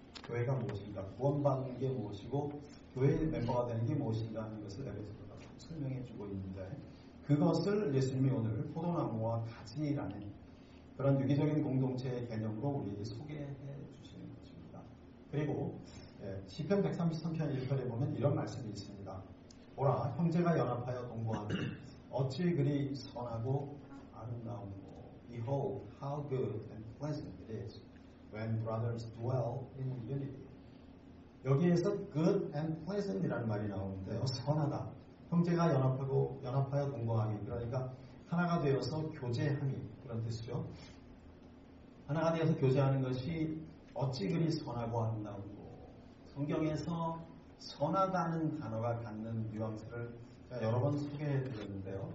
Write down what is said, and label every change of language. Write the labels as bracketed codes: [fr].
[ko] 교회가 무엇인가, 구원받는 게 무엇이고 교회 멤버가 되는 게 무엇인가 하는 것을 에베소서가 설명해 주고 있는데, 그것을 예수님이 오늘 포도나무와 가지라는 그런 유기적인 공동체의 개념으로 우리에게 소개해 주시는 것입니다. 그리고 시편 133편 1절에 보면 이런 말씀이 있습니다. 보라, 형제가 연합하여 동거하니 어찌 그리 선하고 아름다운고, [en] Behold how good and pleasant it is when brothers dwell in unity. [ko] 여기에서 [en] good and pleasant [ko] 이라는 말이 나오는데요. 선하다. 형제가 연합하고 연합하여 동거하기. 그러니까 하나가 되어서 교제함이 그런 뜻이죠. 하나가 되어서 교제하는 것이 어찌 그리 선하고 아름다운고. 성경에서 선하다는 단어가 갖는 뉘앙스를 제가 여러 번 소개해 드렸는데요.